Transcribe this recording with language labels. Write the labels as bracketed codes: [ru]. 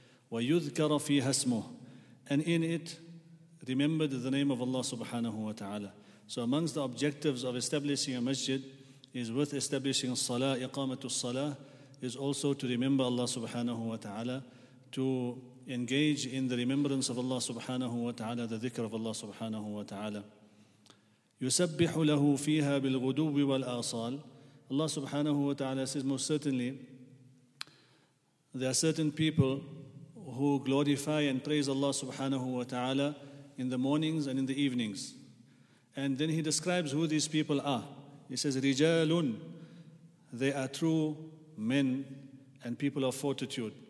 [ar] Wa yudhkara fi hasmuh, [en] and in it remembered the name of Allah subhanahu wa ta'ala. So amongst the objectives of establishing a masjid is with establishing salah, iqamatu salah, is also to remember Allah subhanahu wa ta'ala, to engage in the remembrance of Allah subhanahu wa ta'ala, the dhikr of Allah subhanahu wa ta'ala. [ar] يسبح له فيها بالغدو والآصال. [en] Allah subhanahu wa ta'ala says, most certainly there are certain people who glorify and praise Allah subhanahu wa ta'ala in the mornings and in the evenings. And then he describes who these people are. He says, رجالٌ, they are true men and people of fortitude.